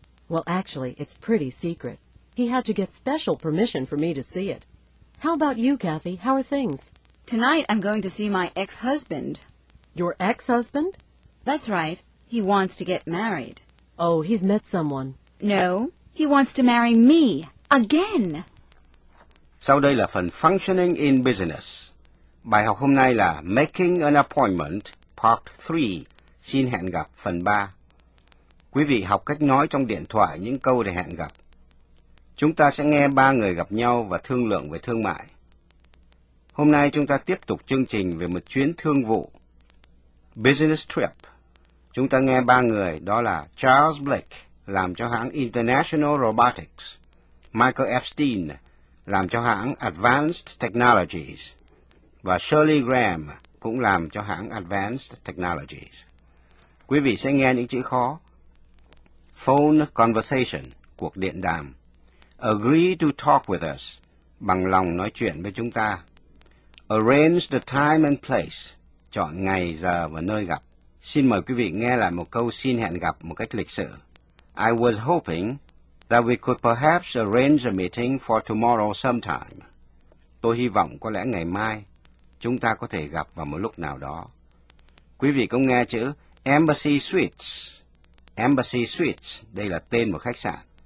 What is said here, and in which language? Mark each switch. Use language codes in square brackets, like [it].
[en] Well, actually, it's pretty secret. He had to get special permission for me to see it. How about you, Kathy? How are things? Tonight, I'm going to see my ex-husband. Your ex-husband? That's right. He wants to get married. Oh, he's met someone. No, he wants to marry me again. [vi] Sau đây là phần Functioning in Business. Bài học hôm nay là Making an Appointment, Part 3. Xin hẹn gặp, phần 3. Quý vị học cách nói trong điện thoại những câu để hẹn gặp. Chúng ta sẽ nghe ba người gặp nhau và thương lượng về thương mại. Hôm nay chúng ta tiếp tục chương trình về một chuyến thương vụ. Business Trip. Chúng ta nghe ba người, đó là Charles Blake, làm cho hãng International Robotics, Michael Epstein, làm cho hãng Advanced Technologies, và Shirley Graham, cũng làm cho hãng Advanced Technologies. Quý vị sẽ nghe những chữ khó. Phone conversation, cuộc điện đàm. [en] Agree to talk with us, [vi] bằng lòng nói chuyện với chúng ta. [en] Arrange the time and place, [vi] chọn ngày, giờ và nơi gặp. Xin mời quý vị nghe lại một câu xin hẹn gặp một cách lịch sự. [en] I was hoping that we could perhaps arrange a meeting for tomorrow sometime. [vi] Tôi hy vọng có lẽ ngày mai chúng ta có thể gặp vào một lúc nào đó. Quý vị có nghe chữ Embassy Suites. Embassy Suites, đây là tên một khách sạn.